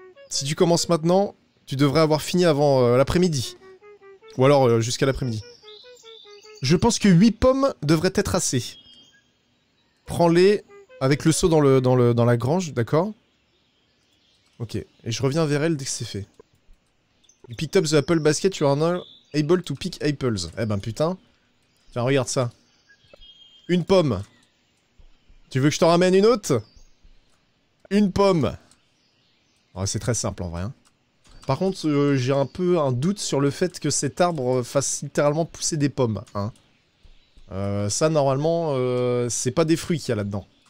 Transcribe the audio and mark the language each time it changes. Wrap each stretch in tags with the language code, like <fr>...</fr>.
<fr>Si tu commences maintenant, tu devrais avoir fini avant l'après-midi. Ou alors jusqu'à l'après-midi. Je pense que 8 pommes devraient être assez. Prends-les avec le seau dans la grange, d'accord? Ok, et je reviens vers elle dès que c'est fait.</fr> <en>You picked up the apple basket, you are now able to pick apples.</en> <fr>Eh ben putain. Tiens, regarde ça. Une pomme. Tu veux que je t'en ramène une autre? Une pomme. C'est très simple en vrai. Par contre, j'ai un peu un doute sur le fait que cet arbre fasse littéralement pousser des pommes, hein. Ça, normalement, c'est pas des fruits qu'il y a là-dedans.</fr>